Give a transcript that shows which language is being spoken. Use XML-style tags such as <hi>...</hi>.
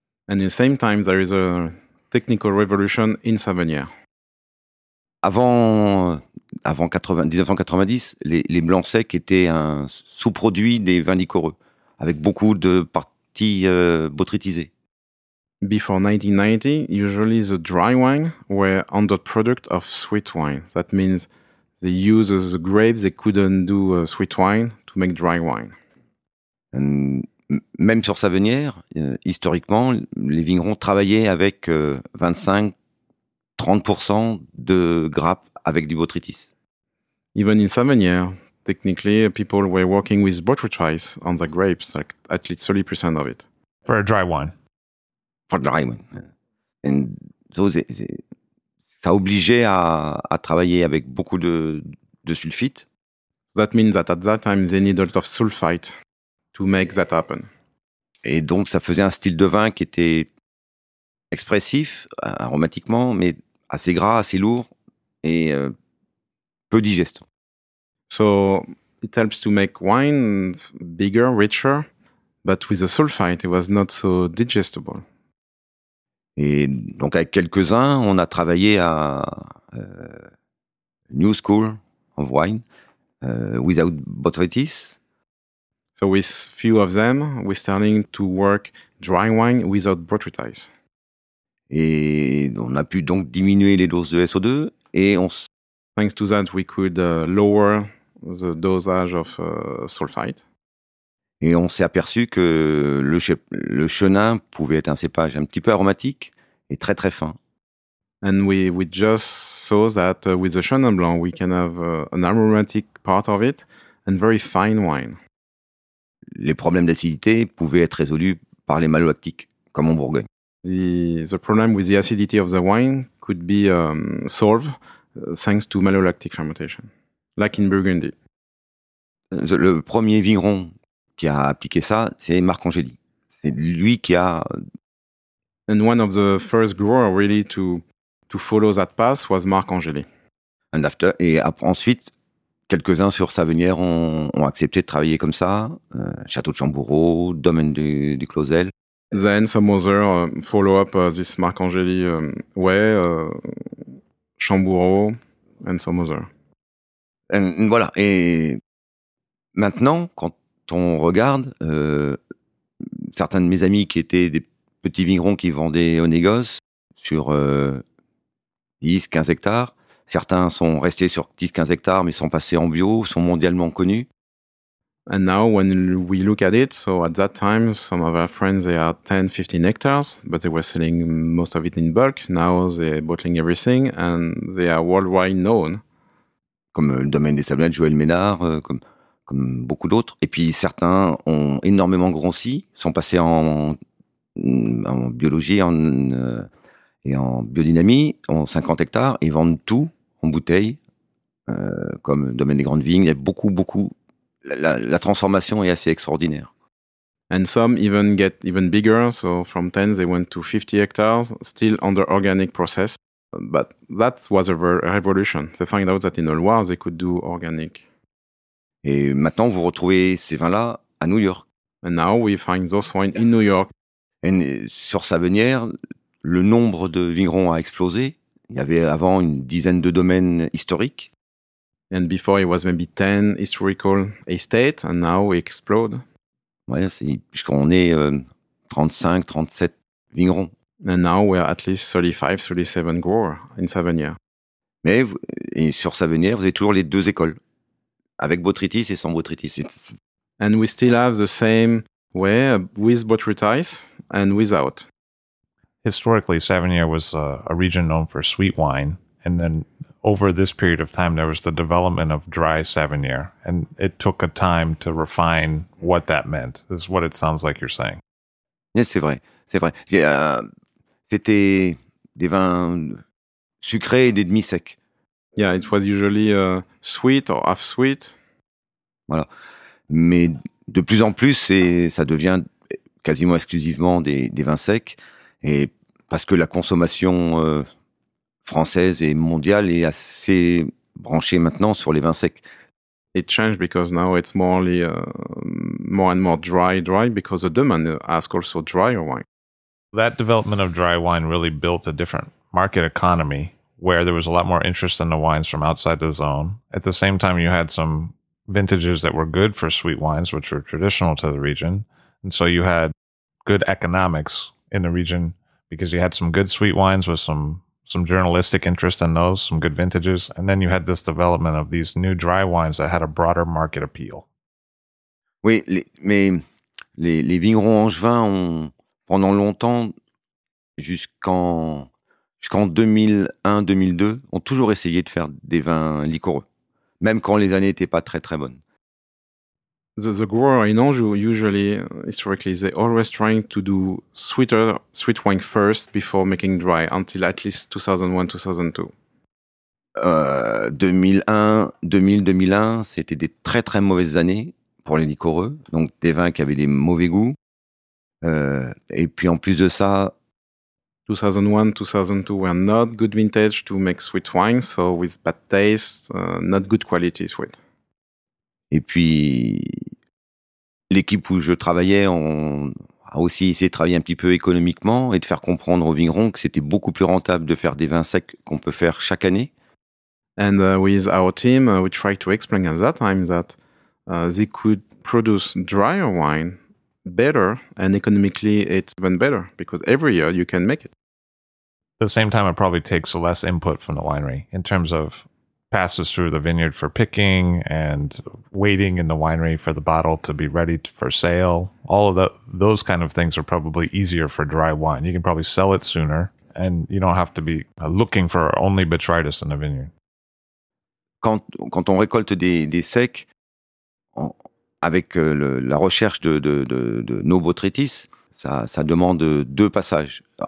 <en>And at the same time, there is a technical revolution in Savennières.</en> <fr>Avant 1990, les blancs secs étaient un sous-produit des vins liquoreux, avec beaucoup de parties botrytisées.</fr> <en>Before 1990, usually the dry wine were underproduct of sweet wine. That means they use the grapes, they couldn't do sweet wine to make dry wine.</en> <fr>Même sur Savennières, historiquement, les vignerons travaillaient avec 25-30% de grappes avec du botrytis.</fr> <en>Even in Savennières, technically, people were working with botrytis on the grapes, like at least 30% of it. For a dry wine. For dry wine. And so</en> <fr>ça obligeait à travailler avec beaucoup de sulfite.</fr> <en>That means that at that time, they needed a lot of sulfite to make that happen.</en> <fr>Et donc, ça faisait un style de vin qui était expressif, aromatiquement, mais assez gras, assez lourd et peu digeste.</fr> <en>So, it helps to make wine bigger, richer, but with the sulfite, it was not so digestible.</en> <fr>Et donc, avec quelques-uns, on a travaillé à New School of Wine,</fr> <en>without botrytis. So with few of them, we're starting to work dry wine without botrytis.</en> <fr>Et on a pu donc diminuer les doses de SO2 et on...</fr> <en>Thanks to that, we could lower the dosage of sulfite.</en> <fr>Et on s'est aperçu que le chenin pouvait être un cépage un petit peu aromatique et très très fin.</fr> <en>And we just saw that with the chenin blanc, we can have an aromatic part of it and very fine wine.</en> <fr>Les problèmes d'acidité pouvaient être résolus par les malolactiques, comme en Bourgogne.</fr> <en>The problem with the acidity of the wine could be solved thanks to malolactic fermentation, like in Burgundy.</en> <fr>Le premier vigneron qui a appliqué ça, c'est Marc Angeli. C'est lui qui a...</fr> <en>And one of the first growers really to follow that path was Marc Angeli. And after,</en> <fr>et ensuite... Quelques-uns sur Savennières ont accepté de travailler comme ça, Château de Chambourreau, Domaine du Clausel.</fr> <en>Then some other follow up this Marc Angeli way, Chambourreau and some other.</en> <fr>And voilà, et maintenant, quand on regarde, certains de mes amis qui étaient des petits vignerons qui vendaient au négoce sur 10-15 hectares, certains sont restés sur 10-15 hectares, mais sont passés en bio, sont mondialement connus.</fr> <en>And now, when we look at it, so at that time, some of our friends, they had 10-15 hectares, but they were selling most of it in bulk. Now, they're bottling everything, and they are worldwide known.</en> <fr>Comme le Domaine des Sablonnettes, Joël Ménard, comme beaucoup d'autres. Et puis, certains ont énormément grossi, sont passés en biologie, et en biodynamie, en 50 hectares, ils vendent tout en bouteille, comme le Domaine des Grandes Vignes. Il y a beaucoup, beaucoup. La transformation est assez extraordinaire.</fr> <en>And some even get even bigger, so from 10 they went to 50 hectares, still under organic process. But that was a revolution. They find out that in the Loire they could do organic.</en> <fr>Et maintenant vous retrouvez ces vins-là à New York.</fr> <en>And now we find those wines in New York.</en> <fr>Et sur Savennières, le nombre de vignerons a explosé. Il y avait avant une dizaine de domaines historiques.</fr> <en>And before it was maybe 10 historical estates, and now we explode.</en> <fr>Ouais, c'est, puisqu'on est 35, 37 vignerons.</fr> <en>And now we are at least 35, 37 growers in Savenière.</en> <fr>Mais et sur Savenière, vous avez toujours les deux écoles, avec botrytis et sans botrytis.</fr> <en>And we still have the same way with botrytis and without. Historically, Savenière was a region known for sweet wine. And then over this period of time, there was the development of dry Savenière. And it took a time to refine what that meant. This is what it sounds like you're saying.</en> <fr>Yes, c'est vrai. C'est vrai. C'était des vins sucrés et des demi-secs.</fr> <en>Yeah, it was usually sweet or half-sweet.</en> <fr>Voilà. Mais de plus en plus, ça devient quasiment exclusivement des vins secs. Et parce que la consommation française et mondiale est assez branchée maintenant sur les vins secs.</fr> <en>It changed because now it's more and more dry, because the demand asks also drier wine. That development of dry wine really built a different market economy where there was a lot more interest in the wines from outside the zone. At the same time, you had some vintages that were good for sweet wines, which were traditional to the region. And so you had good economics in the region because you had some good sweet wines with some journalistic interest in those, some good vintages. And then you had this development of these new dry wines that had a broader market appeal.</en> <fr>Oui, mais les vignerons angevins ont, pendant longtemps, jusqu'en 2001-2002, ont toujours essayé de faire des vins liquoreux, même quand les années n'étaient pas très très bonnes.</fr> <en>The grower in Anjou, usually, historically, they always trying to do sweet wine first before making dry, until at least 2001-2002.</en> <fr>2001, c'était des très très mauvaises années pour les liquoreux, donc des vins qui avaient des mauvais goûts. Et puis en plus de ça,</fr> <en>2001, 2002 were not good vintage to make sweet wine, so with bad taste, not good quality sweet.</en> <fr>Et puis, l'équipe où je travaillais a aussi essayé de travailler un petit peu économiquement et de faire comprendre aux vignerons que c'était beaucoup plus rentable de faire des vins secs qu'on peut faire chaque année.</fr> <en>And with our team, we tried to explain at that time that they could produce drier wine better, and economically it's even better, because every year you can make it. At the same time, it probably takes less input from the winery in terms of passes through the vineyard for picking and waiting in the winery for the bottle to be ready for sale. All of those kind of things are probably easier for dry wine. You can probably sell it sooner and you don't have to be looking for only botrytis in the vineyard.</en> <fr>Quand on récolte des secs, avec la recherche de nos botrytis, ça demande deux passages.</fr>